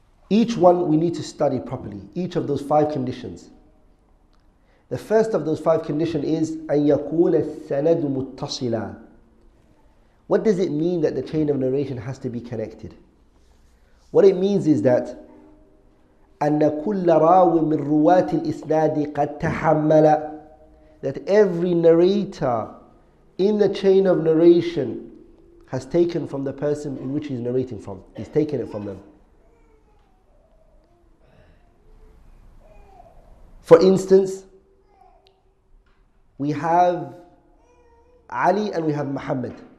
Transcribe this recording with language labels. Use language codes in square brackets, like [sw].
[en] Each one we need to study properly. Each of those five conditions. The first of those five conditions is [ar] أن يكون السند متصلا. [en] What does it mean that the chain of narration has to be connected? What it means is that [ar] أن كل راو من رواة الإسناد قد تحمل. [en] That every narrator in the chain of narration has taken from the person in which he's narrating from. He's taken it from them. For instance, we have Ali and we have Muhammad.